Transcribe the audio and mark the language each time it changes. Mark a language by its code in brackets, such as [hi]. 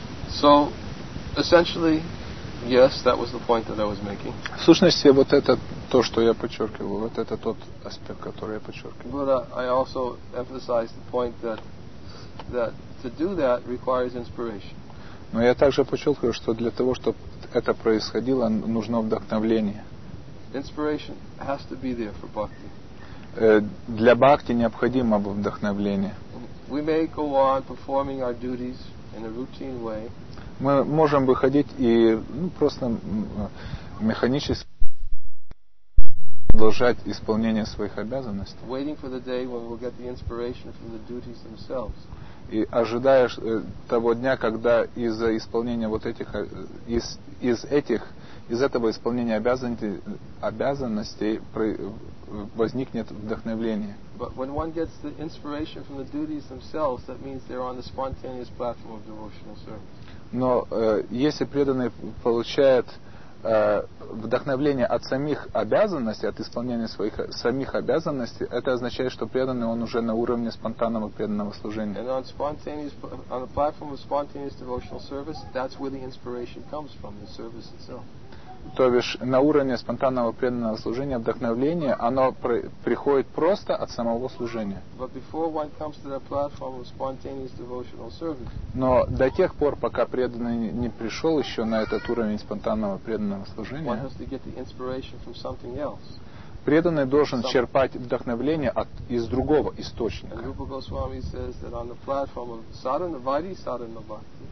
[en] So, essentially, yes, that was the point that I was making. [ru] В сущности, вот этот то, что я подчеркивал, вот это тот аспект, который я подчеркивал. [en] But I also emphasize the point that to do that requires inspiration. [ru] Но я также подчеркиваю, что для того, чтобы это происходило, нужно вдохновение. [en] Inspiration has to be there for bhakti. [ru] Для бхакти необходимо вдохновение. [en] We may go on performing our duties in a routine way. [ru] Мы можем выходить и просто механически продолжать исполнение своих обязанностей. [en] Waiting for the day when we'll get the inspiration from the duties themselves. [ru] И ожидаешь того дня, когда из-за исполнения вот этих из этого исполнения обязанностей возникнет вдохновение. [en] But when one gets the inspiration from the duties themselves, that means they're on the spontaneous platform of devotional service. [ru] Но если преданный получает вдохновение от самих обязанностей, от исполнения своих самих обязанностей, это означает, что преданный он уже на уровне спонтанного преданного служения. [en] And on the platform of spontaneous devotional service, that's where the inspiration comes from, the service itself. [ru] То бишь на уровне спонтанного преданного служения вдохновление, оно приходит просто от самого служения. [en] But before one comes to that platform of spontaneous devotional service. [ru] Но до тех пор, пока преданный не пришел еще на этот уровень спонтанного преданного служения, [en] one has to get the inspiration from something else. [ru] Преданный должен черпать вдохновение из другого источника. [en] And Rupa Goswami says that on the platform of sadhana vaidhi sadhana bhakti.